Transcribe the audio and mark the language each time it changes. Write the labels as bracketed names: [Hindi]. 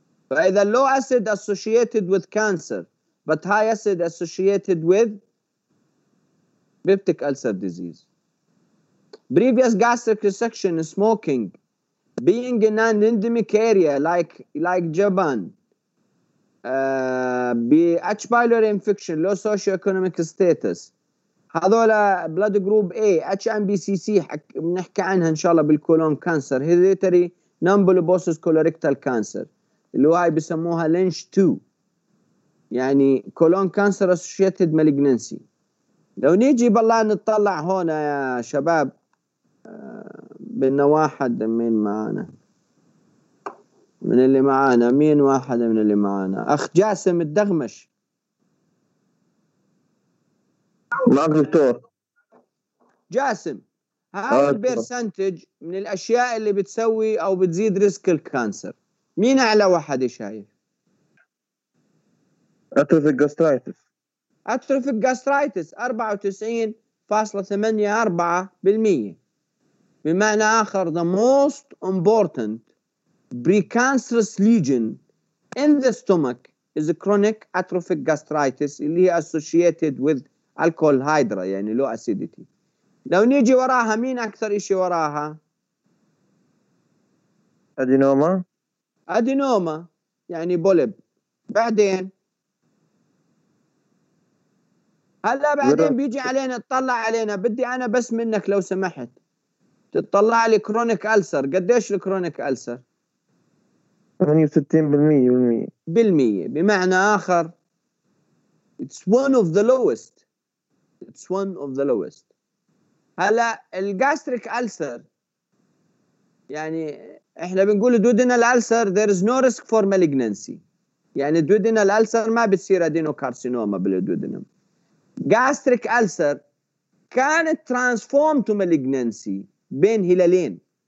[English] فإذا low acid associated with cancer but high acid associated with peptic ulcer disease. Previous gastric resection, smoking, being in an endemic area like Japan, H. pylori infection, low socioeconomic status. [Arabic] هذولا blood group A, HMBCC بنحكي عنها إن شاء الله بالكولون كانسر. [English] Hereditary non-bullous colorectal cancer [Arabic] اللي هاي بسموها [English] Lynch 2، يعني colon cancer associated malignancy. [Arabic] لو نيجي بالله نطلع هنا يا شباب بدنا واحد من معانا من اللي معانا، مين واحد من اللي معانا؟ أخ جاسم الدغمش. ما دكتور جاسم، هذا البرسنتج من الأشياء اللي بتسوي أو بتزيد ريسك الكانسر، مين أعلى واحد شايف؟ أتروفيك غاسترايتس. أتروفيك غاسترايتس 94.84%، بمعنى آخر [English] the most important precancerous lesion in the stomach is a chronic atrophic gastritis اللي هي associated with alcohol hydra يعني low acidity. [Arabic] لو نيجي وراها مين أكثر إشي وراها؟ أدينوما. أدينوما يعني بولب. بعدين هلا بعدين بيجي علينا تطلع علينا، بدي أنا بس منك لو سمحت تطلع لي كرونيك ألسر، قديش الكرونيك ألسر؟ 68%. بمعنى آخر [English] it's one of the lowest. It's one of the lowest. [Arabic] هلا الغاستريك ألسر يعني إحنا بنقول دودنا الألسر [English] there is no risk for malignancy، [Arabic] يعني دودنا الألسر ما بتصير أدينوكارسينوما بالدودنا. غاستريك ألسر كانت [English] transformed to malignancy [Arabic] بين هلالين.